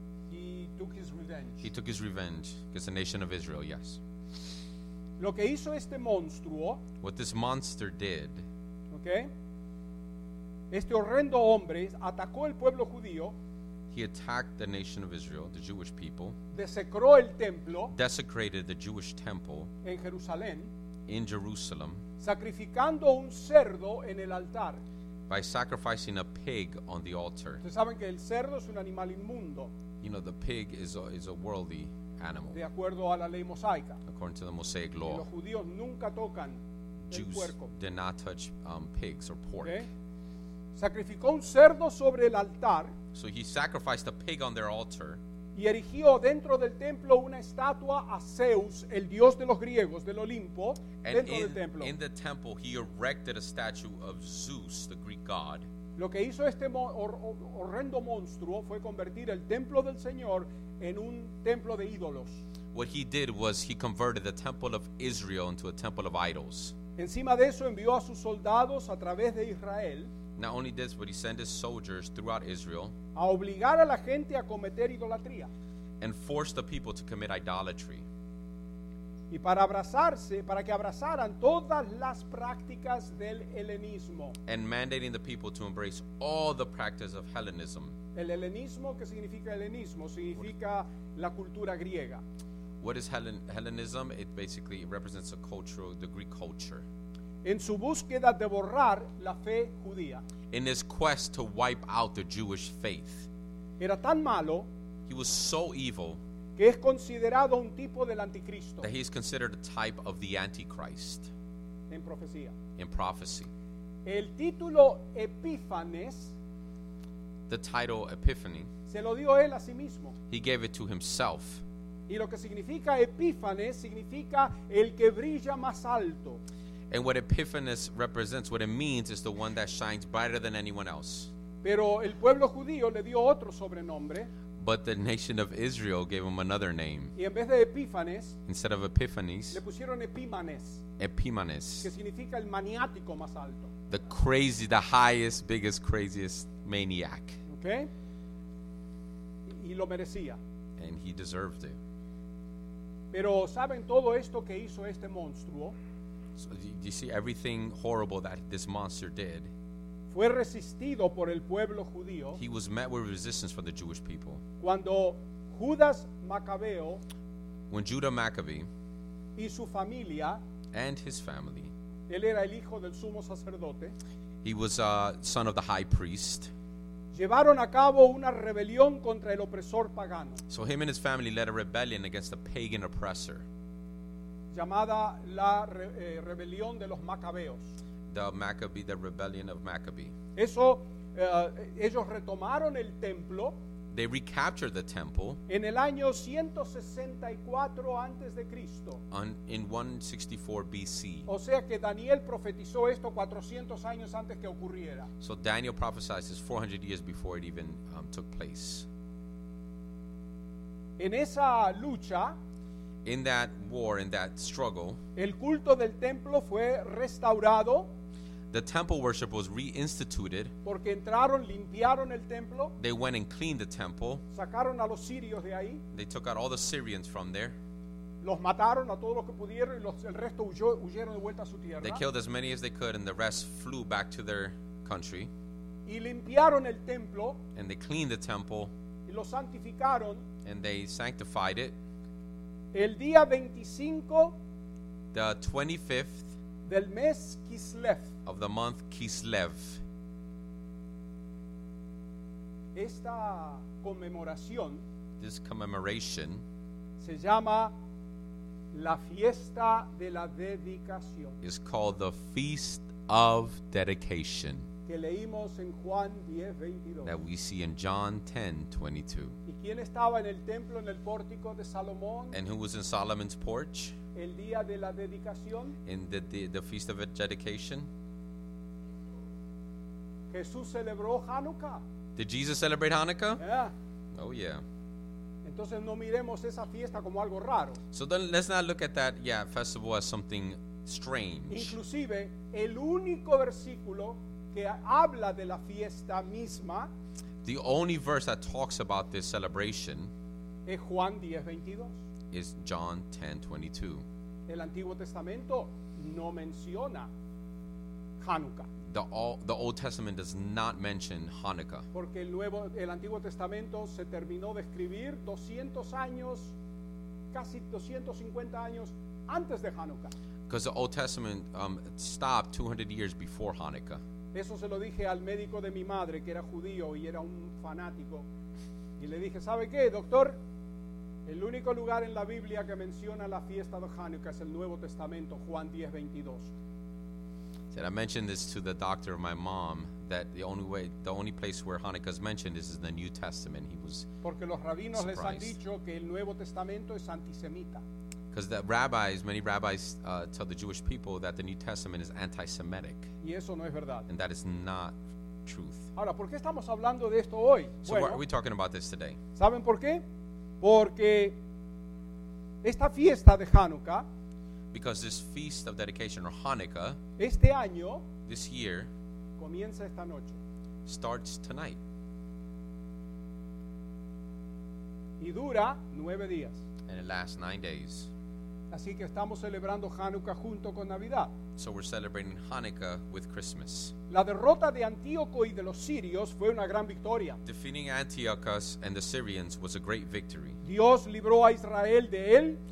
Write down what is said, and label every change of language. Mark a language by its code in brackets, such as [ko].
[en] He took his revenge against the nation of Israel, yes. [es] Lo que hizo este monstruo, [en] what this monster did, [es] okay, este horrendo hombre atacó el pueblo judío, [en] he attacked the nation of Israel, the Jewish people, [es] desecró el templo, [en] desecrated the Jewish temple [es] en Jerusalén, [en] in Jerusalem, [es] sacrificando un cerdo en el altar, [en] by sacrificing a pig on the altar. [es] Ustedes saben que el cerdo es un animal inmundo. [en] You know, the pig is a worldly animal. [es] De acuerdo a la ley mosaica. [en] According to the Mosaic law. [es] Y los judíos nunca tocan [en] Jews [es] el puerco. [en] Did not touch pigs or pork. Okay. [es] Sacrificó un cerdo sobre el altar. [en] So he sacrificed a pig on their altar. [es] Y erigió dentro del templo una estatua a Zeus, el dios de los griegos, del Olimpo, [en] and [es] dentro [en] in, [es] del templo. [en] In the temple, he erected a statue of Zeus, the Greek god. [es] Lo que hizo este horrendo monstruo fue convertir el templo del Señor en un templo de ídolos. [en] What he did was he converted the temple of Israel into a temple of idols. [es] Encima de eso envió a sus soldados a través de Israel. [en] Not only this, but he sent his soldiers throughout Israel. [es] A obligar a la gente a cometer idolatría. [en] And forced the people to commit idolatry. [es] Y para abrazarse, para que abrazaran todas las prácticas del helenismo. [en] And mandating the people to embrace all the practice of Hellenism. [es] El helenismo, ¿qué significa helenismo? Significa la cultura griega. [en] What is Hellenism? It basically represents the Greek culture. [es] En su búsqueda de borrar la fe judía. [en] In his quest to wipe out the Jewish faith. [es] Era tan malo. [en] He was so evil. [es] Que es considerado un tipo del anticristo. [en] That he is considered a type of the Antichrist. [es] En profecía. [en] In prophecy. [es] El título Epífanes. [en] The title Epiphany. [es] Se lo dio él a sí mismo. [en] He gave it to himself. [es] Y lo que significa Epífanes significa el que brilla más alto. [en] And what Epiphanes represents, what it means, is the one that shines brighter than anyone else. [es] Pero el pueblo judío le dio otro sobrenombre. [en] But the nation of Israel gave him another name. [es] Y en vez de Epífanes, [en] instead of Epiphanes, [es] le pusieron Epímanes. Epímanes. Que significa el maniático más alto. [en] The crazy, the highest, biggest, craziest maniac. [es] Okay. Y lo merecía. [en] And he deserved it. [es] Pero saben todo esto que hizo este monstruo. [en] So you see everything horrible that this monster did. [es] Fue resistido por el pueblo judío. [en] He was met with resistance from the Jewish people. [es] Cuando Judas Maccabeo, [en] when Judah Maccabee [es] y su familia, [en] and his family, [es] él era el hijo del sumo sacerdote, [en] he was a son of the high priest, [es] llevaron a cabo una rebelión contra el opresor pagano. [en] So him and his family led a rebellion against the pagan oppressor, [es] llamada la rebelión de los Maccabeos. [en] The Maccabee, the rebellion of Maccabee. [es] Eso, ellos retomaron el templo. [en] They recaptured the temple. [es] En el año 164 antes de Cristo. [en] In 164 BC. [es] O sea que Daniel profetizó esto 400 años antes que ocurriera. [en] So Daniel prophesied this 400 years before it even took place. [es] En esa lucha, [en] in that war, in that struggle, [es] el culto del templo fue restaurado. [en] The temple worship was reinstituted. [es] Porque entraron, limpiaron el templo. [en] They went and cleaned the temple. [es] Sacaron a los sirios de ahí. [en] They took out all the Syrians from there. [es] Los mataron a todos los que pudieron y el resto huyeron de vuelta a su tierra. [en] They killed as many as they could and the rest flew back to their country. [es] Y limpiaron el templo. [en] And they cleaned the temple. [es] Y lo santificaron. [en] And they sanctified it. [es] El día 25, [en] the 25th [es] del mes Kislev, [en] of the month Kislev. [es] Esta conmemoración, [en] this commemoration, [es] se llama la fiesta de la dedicación. [en] Is called the Feast of Dedication. [es] Que leímos en Juan 10, 22. [en] That we see in John 10, 22. [es] ¿Y quién estaba en el templo, en el pórtico de Salomón? [en] And who was in Solomon's porch? [es] El día de la dedicación. [en] In the Feast of Dedication. [es] Jesús celebró Hanukkah. [en] Did Jesus celebrate Hanukkah? Yeah. Oh, yeah. [es] Entonces no miremos esa fiesta como algo raro. [en] So then let's not look at that, yeah, festival as something strange. [es] Inclusive, el único versículo que habla de la fiesta misma, [en] the only verse that talks about this celebration, [es] es Juan 10, 22. [en] Is John 10, 22. [es] El Antiguo Testamento no menciona Hanukkah. [en] The Old Testament does not mention Hanukkah. [es] Porque luego el Antiguo Testamento se terminó de escribir 200 años, casi 250 años antes de Hanukkah. [en] Because the Old Testament stopped 200 years before Hanukkah. [es] Eso se lo dije al médico de mi madre, que era judío y era un fanático. Y le dije, ¿sabe qué, doctor? El único lugar en la Biblia que menciona la fiesta de Hanukkah es el Nuevo Testamento, Juan 10, 22. [en] And I mentioned this to the doctor of my mom, that the only place where Hanukkah is mentioned is in the New Testament. He was [es] porque los rabinos [en] surprised. [es] Les han dicho que el Nuevo Testamento es antisemita. [en] Because the rabbis, many rabbis tell the Jewish people that the New Testament is anti-Semitic. [es] Y eso no es verdad. [en] And that is not truth. [es] Ahora, ¿por qué estamos hablando de esto hoy? [en] So bueno, why are we talking about this today? [es] ¿Saben por qué? Porque esta fiesta de Hanukkah, [en] because this Feast of Dedication, or Hanukkah, [es] este año, [en] this year, [es] comienza esta noche, [en] starts tonight. [es] Y dura 9 días. [en] And it lasts 9 days. [es] Así que estamos celebrando Hanukkah junto con Navidad. [en] So we're celebrating Hanukkah with Christmas. [es] La derrota de Antíoco y de los sirios fue una gran victoria. [en] Defeating Antiochus and the Syrians was a great victory. [es] Dios libró a Israel de él.